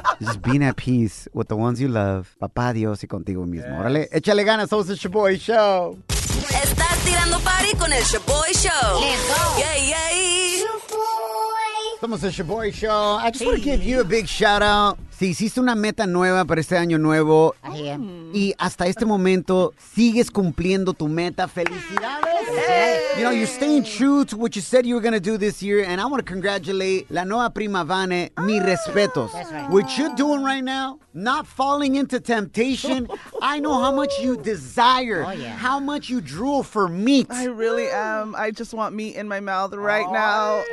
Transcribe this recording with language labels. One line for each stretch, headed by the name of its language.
English: Just being at peace with the ones you love.
Spanish: Papá Dios y contigo mismo. Yes. Órale, échale ganas. Somos el Shaboy Show. Estás tirando party con el Shaboy Show.
English: Let's go.
Spanish: Somos el Shaboy Show.
English: I just want to give you a big shout out.
Spanish: Si hiciste una meta nueva para este año nuevo. Y hasta este momento sigues cumpliendo tu meta. ¡Felicidades! Hey.
English: You know, you're staying true to what you said you were going to do this year. And I want to congratulate la nueva prima Vane.
Spanish: Mis respetos.
English: That's right. What you're doing right now, not falling into temptation. I know how much you desire. Oh, yeah. How much you drool for meat. I really am. I just want meat in my mouth right now.